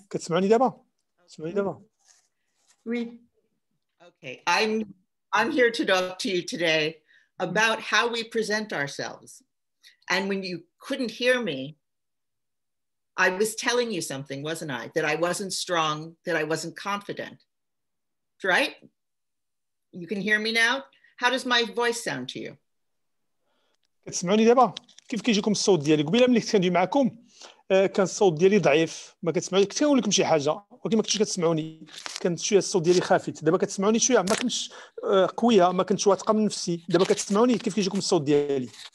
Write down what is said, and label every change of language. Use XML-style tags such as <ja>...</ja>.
<ar>كتسمعوني دابا سمعوني دابا وي</ar> <en>Okay I'm here to talk to you today about how we present ourselves. And when you couldn't hear me, I was telling you something, wasn't I? That I wasn't strong, that I wasn't confident, right? You can hear me now? How does my voice sound to you?</en> <ar>كتسمعوني دابا؟ كيف كيجيكم الصوت ديالي؟ قبيله ملي كنت معكم كان الصوت ديالي ضعيف، ما كتسمعوش، كنت كنقول لكم شي حاجه، ولكن ما كنتوش كتسمعوني، كان شويه الصوت ديالي خافت، دابا كتسمعوني شويه، ما كنتش قويه، ما كنتش واثقه من نفسي، دابا كتسمعوني كيف كيجيكم الصوت ديالي؟</ar>